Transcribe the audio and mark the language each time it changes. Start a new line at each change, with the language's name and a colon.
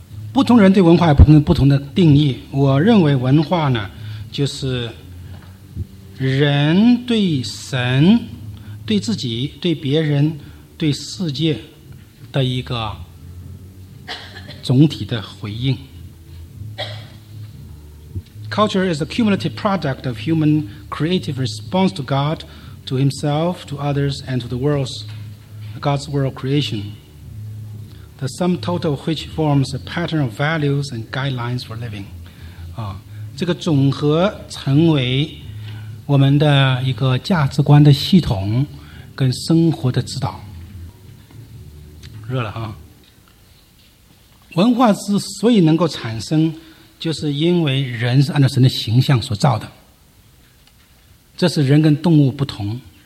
Chinese: 不同人对文化有不同的定义，我认为文化呢，就是人对神、对自己、对别人、对世界的一个总体的回应。
English: Culture is a cumulative product of human creative response to God, to himself, to others, and to the world's God's world creation, the sum total of which forms a pattern of values and guidelines for living.
Chinese: 这个总和成为我们的一个价值观的系统跟生活的指导。热了哈。文化之所以能够产生，就是因为人是按照神的形象所造的，这是人跟动物不同。